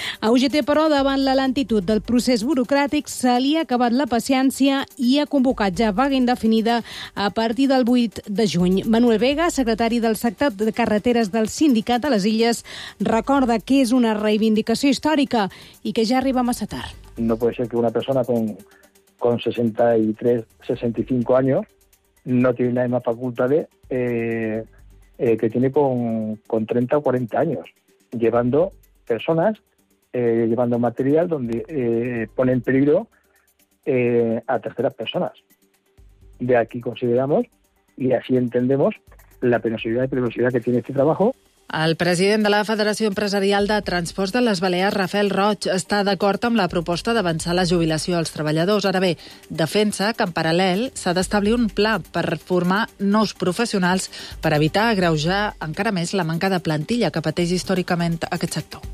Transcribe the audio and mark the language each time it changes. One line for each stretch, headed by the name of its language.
Catalan: A UGT, però, davant la lentitud del procés burocràtic, se li ha acabat la paciència i ha convocat ja vaga indefinida a partir del 8 de juny. Manuel Vega, secretari del sector de carreteres del Sindicat de les Illes, recorda que és una reivindicació històrica i que ja arriba massa tard.
Spanish: No puede ser que una persona con 63, 65 años no tiene las mismas facultades que tiene con 30 o 40 años, llevando personas, llevando material donde pone en peligro a terceras personas. De aquí consideramos, y así entendemos, la penosidad y peligrosidad que tiene este trabajo.
Catalan: El president de la Federació Empresarial de Transports de les Balears, Rafael Roig, està d'acord amb la proposta d'avançar la jubilació als treballadors. Ara bé, defensa que en paral·lel s'ha d'establir un pla per formar nous professionals per evitar agreujar encara més la manca de plantilla que pateix històricament aquest sector.